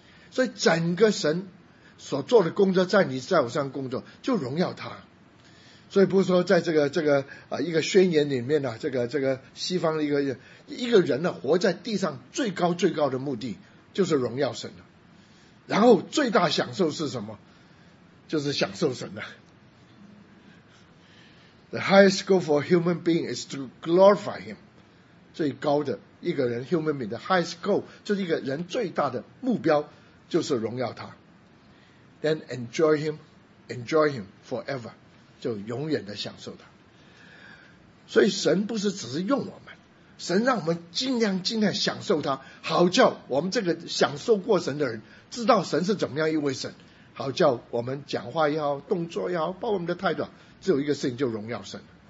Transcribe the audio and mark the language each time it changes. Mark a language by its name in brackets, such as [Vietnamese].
[Chinese] 所以整个神所做的工作，在你在我上工作，就荣耀他。所以不是说在这个一个宣言里面呢、啊，这个西方一个人呢、啊，活在地上最高最高的目的就是荣耀神的，然后最大享受是什么？就是享受神的。 [English] The highest goal for a human being is to glorify Him。 [Chinese] 最高的一个人 [English] human being [Chinese] 的 [English] highest goal [Chinese] 就是一个人最大的目标就是荣耀他。 [English] Then enjoy Him forever。 [Chinese] 就永远的享受它。所以神不是只是用我们，神让我们尽量享受它，好叫我们这个享受过神的人知道神是怎么样一位神，好叫我们讲话也好，动作也好，包括我们的态度，只有一个事情，就荣耀神。